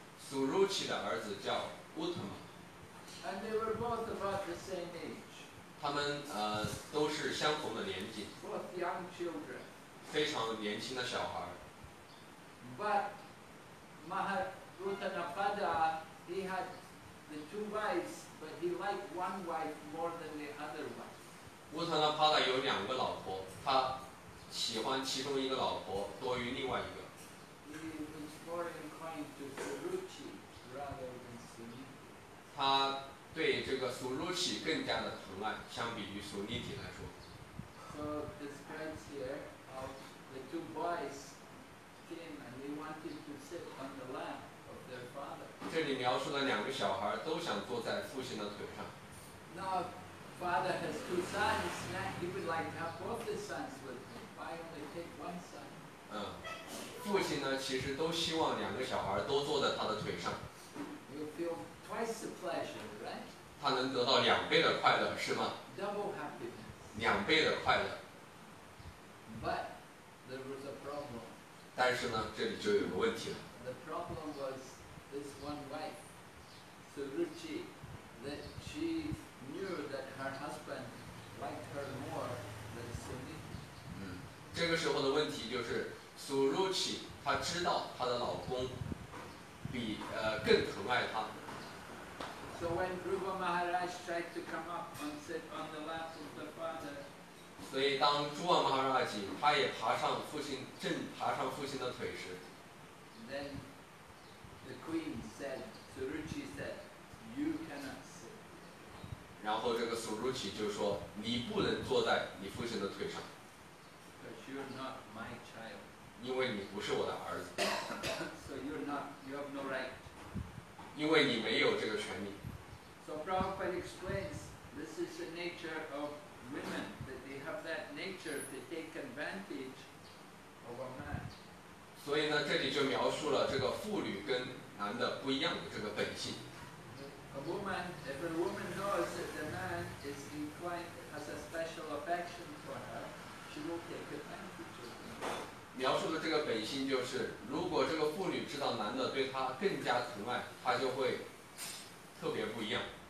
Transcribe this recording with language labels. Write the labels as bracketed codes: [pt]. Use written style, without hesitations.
[zh] Suruchi 的儿子叫 Uttama. [en] And they were both about the same age. [zh] 他们都是相同的年纪。 [en] Both young children. [zh] 非常年轻的小孩。 [en] But Maha Uttanapada. He had the two wives, but he liked one wife more than the other one. [zh] Uttanapada 有两个老婆，他喜欢其中一个老婆多于另外一个。 [en] He was more inclined to Suruchi rather than Suniti. [zh] 他对这个 Suruchi 更加的疼爱，相比于 Suniti 来说。 [en] So describes here how the two boys came and they wanted to sit on the lap. [zh] 这里描述的两个小孩都想坐在父亲的腿上。 [en] Now, father has two sons. Now he would like to have both his sons with him. Why only take one son? [zh] 父亲呢，其实都希望两个小孩都坐在他的腿上。 [en] You feel twice the pleasure, right? [zh] 他能得到两倍的快乐，是吗 [en] ？Double happiness. [zh] 两倍的快乐。 [en] But there was a problem. [zh] 但是呢，这里就有个问题了。 [en] The problem was. This one wife, Suruchi, that she knew that her husband liked her more than Suniti. [zh] 这个时候的问题就是 ，Suruchi 她知道她的老公比更疼爱她。 [en] So when Dhruva Maharaj tried to come up and sit on the lap of the father, [zh] 所以当朱瓦马哈拉吉他也爬上父亲正爬上父亲的腿时 [en] ，then. The queen said, Suruchi said, you cannot sit. [zh] 然后这个 Suruchi 就说你不能坐在你父亲的腿上。 [en] Because you're not my child. [zh] 因为你不是我的儿子。 [en] So you have no right. [zh] 因为你没有这个权利。 [en] So Prabhupada explains, this is the nature of women, that they have that nature to take advantage of a man. [zh] 所以呢，这里就描述了这个妇女跟男的不一样的这个本性。 [en] A woman, if a woman knows that the man is inclined, has a special affection for her, she will take advantage of him. [zh] 描述的这个本性就是，如果这个妇女知道男的对她更加疼爱，她就会特别不一样。